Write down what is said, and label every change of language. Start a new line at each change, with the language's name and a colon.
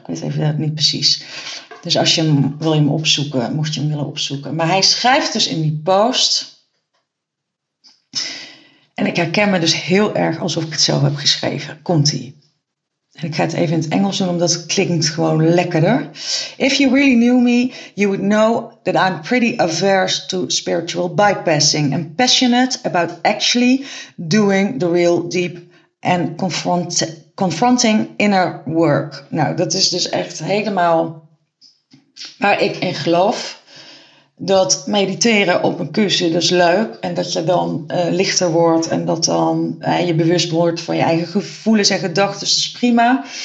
Dutch: Ik weet even niet precies. Dus als je hem wil je hem opzoeken, mocht je hem willen opzoeken. Maar hij schrijft dus in die post, en ik herken me dus heel erg alsof ik het zelf heb geschreven. Komt-ie. Ik ga het even in het Engels doen, omdat het klinkt gewoon lekkerder.
English: If you really knew me, you would know that I'm pretty averse to spiritual bypassing and passionate about actually doing the real deep and confronting inner work.
Dutch: Nou, dat is dus echt helemaal waar ik in geloof. Dat mediteren op een kussen dus leuk en dat je dan lichter wordt en dat dan je bewust wordt van je eigen gevoelens en gedachten, dat is prima.